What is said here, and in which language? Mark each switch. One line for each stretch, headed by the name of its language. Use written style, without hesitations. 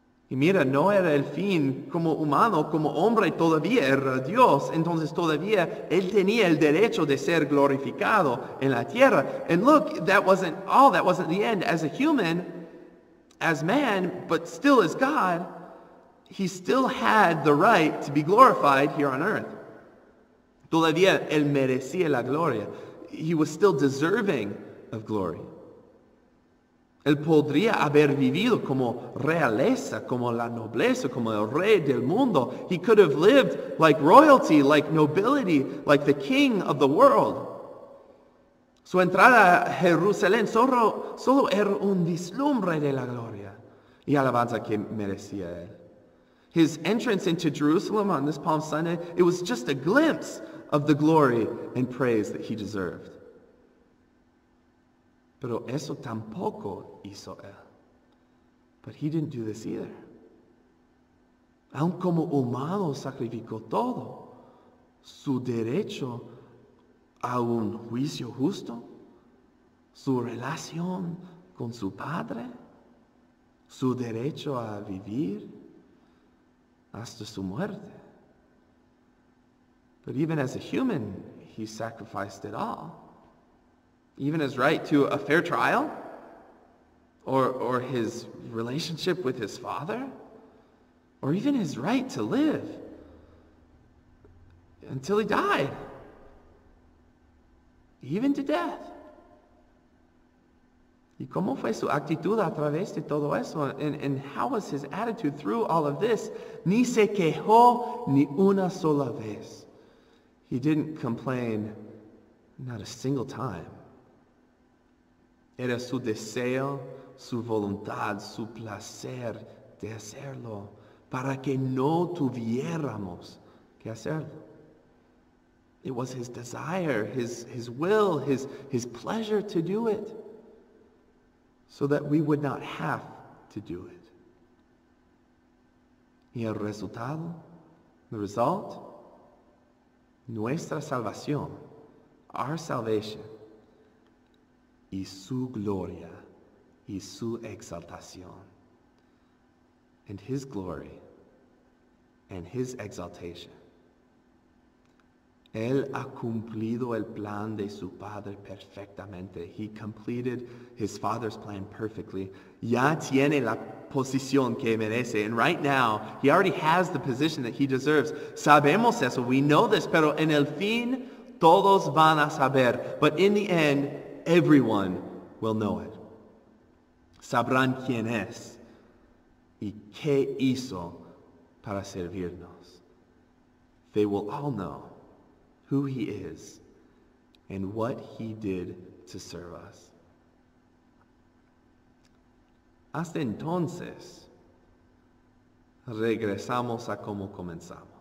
Spanish: Y mira, no era el fin como humano, como hombre todavía era Dios. Entonces todavía él tenía el derecho de ser glorificado en la tierra.
English: And look, that wasn't all. That wasn't the end. As a human, as man, but still as God, he still had the right to be glorified here on earth.
Spanish: Todavía él merecía la gloria.
English: He was still deserving of glory.
Spanish: Él podría haber vivido como realeza, como la nobleza, como el rey del mundo.
English: He could have lived like royalty, like nobility, like the king of the world.
Spanish: Su entrada a Jerusalén solo era un vislumbre de la gloria y alabanza que merecía él.
English: His entrance into Jerusalem on this Palm Sunday, it was just a glimpse of the glory and praise that he deserved.
Spanish: Pero eso tampoco hizo él.
English: But he didn't do this either.
Spanish: Aun como humano sacrificó todo, su derecho a un juicio justo, su relación con su padre, su derecho a vivir, hasta su muerte.
English: But even as a human, he sacrificed it all. Even his right to a fair trial, or his relationship with his father, or even his right to live until he died, even to death.
Spanish: ¿Y cómo fue su actitud a través de todo eso?
English: And how was his attitude through all of this?
Spanish: Ni se quejó ni una sola vez.
English: He didn't complain, not a single time.
Spanish: Era su deseo, su voluntad, su placer de hacerlo, para que no tuviéramos que hacerlo.
English: It was his desire, his will, his pleasure to do it, so that we would not have to do it.
Spanish: Y el resultado,
English: the result,
Spanish: nuestra salvación,
English: our salvation,
Spanish: y su gloria, y su exaltación,
English: and his glory, and his exaltation.
Spanish: Él ha cumplido el plan de su Padre perfectamente.
English: He completed his Father's plan perfectly.
Spanish: Ya tiene la posición que merece.
English: And right now, he already has the position that he deserves.
Spanish: Sabemos eso.
English: We know this.
Spanish: Pero en el fin, todos van a saber.
English: But in the end, everyone will know it.
Spanish: Sabrán quién es y qué hizo para servirnos.
English: They will all know who he is and what he did to serve us.
Spanish: Hasta entonces, regresamos a como comenzamos.